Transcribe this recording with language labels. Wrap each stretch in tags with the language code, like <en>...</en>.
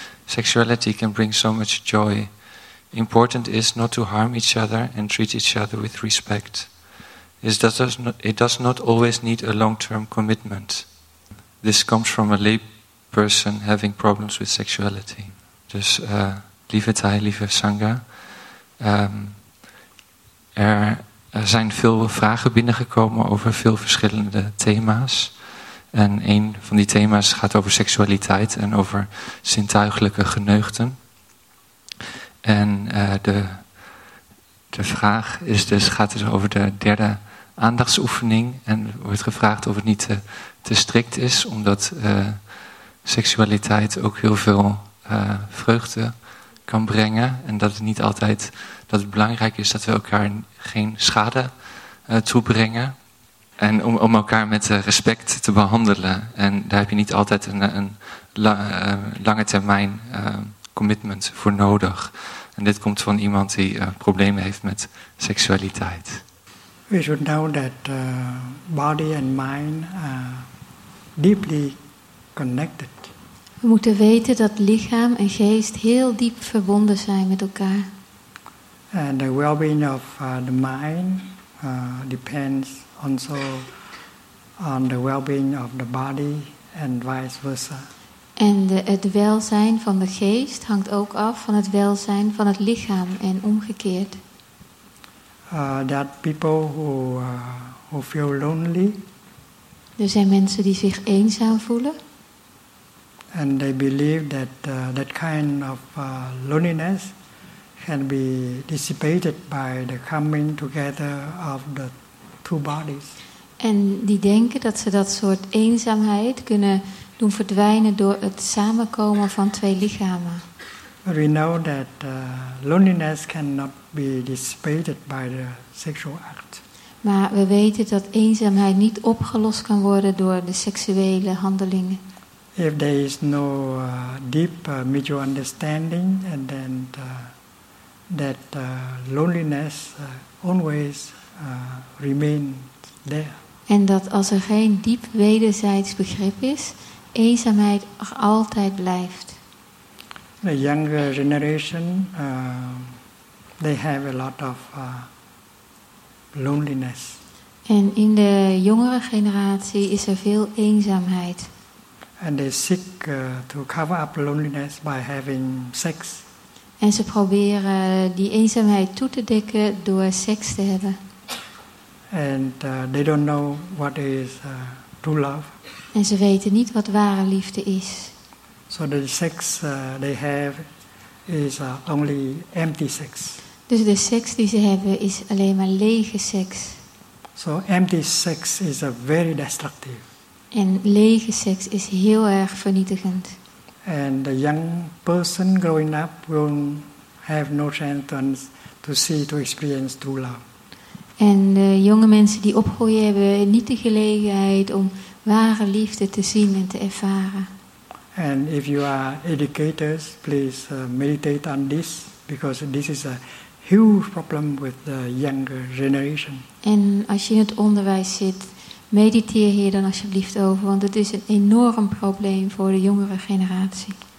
<en>Sexuality can bring so much joy. Important is not to harm each other and treat each other with respect. It does not always need a long-term commitment. This comes from a lay person having problems with sexuality.</en> <nl>Dus, lieve Thai, lieve Sangha, er zijn veel vragen binnengekomen over veel verschillende thema's. En een van die thema's gaat over seksualiteit en over zintuiglijke geneugten. En de vraag is dus, gaat dus over de derde aandachtsoefening. En wordt gevraagd of het niet te strikt is, omdat seksualiteit ook heel veel vreugde kan brengen. En dat het niet altijd, dat het belangrijk is dat we elkaar geen schade toebrengen. En om elkaar met respect te behandelen. En daar heb je niet altijd een lange termijn commitment voor nodig. En dit komt van iemand die problemen heeft met seksualiteit.</nl> <en>We should know that body and mind are deeply connected.</en> <nl>We moeten weten dat lichaam en geest heel diep verbonden zijn met elkaar.</nl> <en>And the well-being of the mind depends also on the well-being of the body and vice versa.</en> <nl>En het welzijn van de geest hangt ook af van het welzijn van het lichaam en omgekeerd.</nl> <en>That people who feel lonely.</en> <nl>Er zijn mensen die zich eenzaam voelen.</nl> <en>And they believe that that kind of loneliness can be dissipated by the coming together of the two bodies.</en> <nl>En die denken dat ze dat soort eenzaamheid kunnen doen verdwijnen door het samenkomen van twee lichamen.</nl> <en>But we know that loneliness cannot be dissipated by the sexual act.</en> <nl>Maar we weten dat eenzaamheid niet opgelost kan worden door de seksuele handelingen.</nl> <en>If there is no deep mutual understanding, and then that loneliness always remains there.</en> <nl>En dat als er geen diep wederzijds begrip is, eenzaamheid er altijd blijft.</nl> <en>The younger generation, they have a lot of loneliness.</en> <nl>En in de jongere generatie is er veel eenzaamheid.</nl> <en>And they seek to cover up loneliness by having sex.</en> <nl>En ze proberen die eenzaamheid toe te dekken door seks te hebben.</nl> <en>And they don't know what is true love.</en> <nl>En ze weten niet wat ware liefde is.</nl> <en>So the sex they have is only empty sex.</en> <nl>Dus de seks die ze hebben is alleen maar lege seks.</nl> <en>So empty sex is very destructive.</en> <nl>En lege seks is heel erg vernietigend.</nl> <en>and a young person growing up will have no chance to see, to experience true love.</en> <nl>En de jonge mensen die opgroeien hebben niet de gelegenheid om ware liefde te zien en te ervaren.</nl> <en>And if you are educators, please meditate on this, because this is a huge problem with the younger generation.</en> <nl>En als je in het onderwijs zit, mediteer hier dan alsjeblieft over, want het is een enorm probleem voor de jongere generatie.</nl>